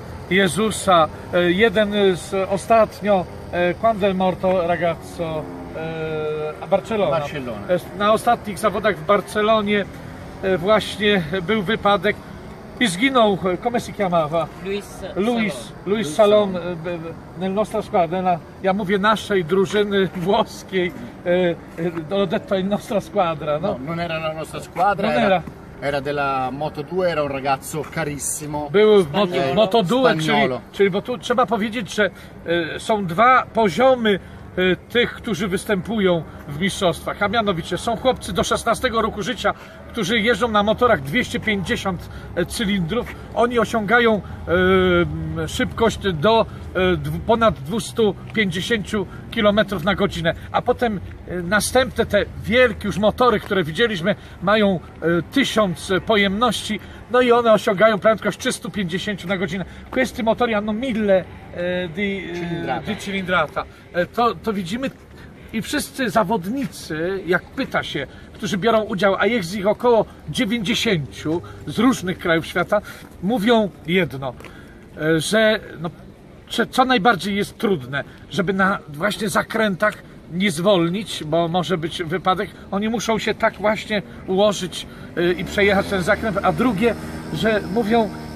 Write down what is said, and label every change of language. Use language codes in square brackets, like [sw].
[pl] Jezusa, jeden z ostatnio, [it] quando è morto ragazzo, [pl] Barcelona. Na ostatnich zawodach w Barcelonie właśnie był wypadek i zginął, [it] come si chiamava? [pl] Luis Salom, [it] nel nostro squad, [pl] ja mówię naszej drużyny włoskiej, [it] ho detto il nostra squadra, no? No, non era la nostra squadra, era della Moto2, era un ragazzo carissimo. [pl] Był w Moto2, czyli bo tu trzeba powiedzieć, że są dwa poziomy tych, którzy występują w mistrzostwach, a mianowicie są chłopcy do 16 roku życia, którzy jeżdżą na motorach 250 cylindrów, oni osiągają szybkość do ponad 250 km na godzinę, a potem następne te wielkie już motory, które widzieliśmy, mają 1000 pojemności, no i one osiągają prędkość 350 na godzinę. [it] Questi motori hanno 1000 di cilindrata. [pl] To widzimy i wszyscy zawodnicy, jak pyta się, którzy biorą udział, a jest ich około 90 z różnych krajów świata, mówią jedno, że no, co najbardziej jest trudne, żeby na właśnie zakrętach nie zwolnić, bo może być wypadek, oni muszą się tak właśnie ułożyć i przejechać ten zakręt, a drugie, że mówią